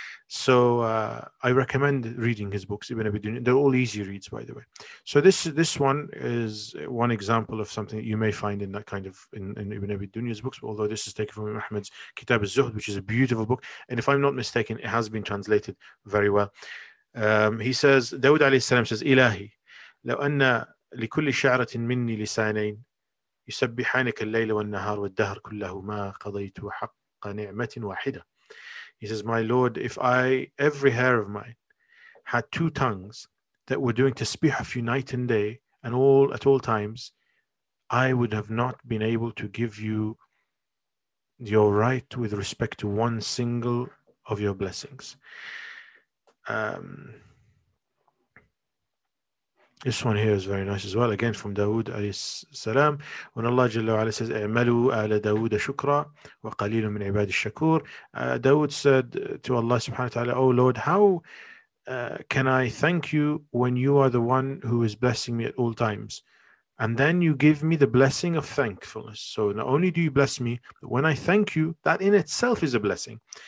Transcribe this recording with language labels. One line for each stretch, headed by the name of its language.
English: So I recommend reading his books, Ibn Abi Dunya. They're all easy reads, by the way. So this one is one example of something that you may find in that kind of in Ibn Abi Dunya's books, although this is taken from Imam Ahmed's Kitab al-Zuhd, which is a beautiful book. And if I'm not mistaken, it has been translated very well. He says, Dawood alayhi salam says, Ilahi,
Arabic: لو أن لكل شعرة مني لسانين يسبحانك الليل والنهار والدهر كله ما قضيت حق نعمة واحدة.
English: He says, my Lord, if every hair of mine had two tongues that were doing tasbih of you night and day and all at all times, I would have not been able to give you your right with respect to one single of your blessings. This one here is very nice as well. Again, from Dawood alayhi salam. When Allah Jalla wa'ala says,
Arabic: اعملوا آل داود شكرا وقليل من عباد الشكور.
English: Dawood said to Allah subhanahu wa ta'ala, oh Lord, how can I thank you when you are the one who is blessing me at all times? And then you give me the blessing of thankfulness. So not only do you bless me, but when I thank you, that in itself is a blessing.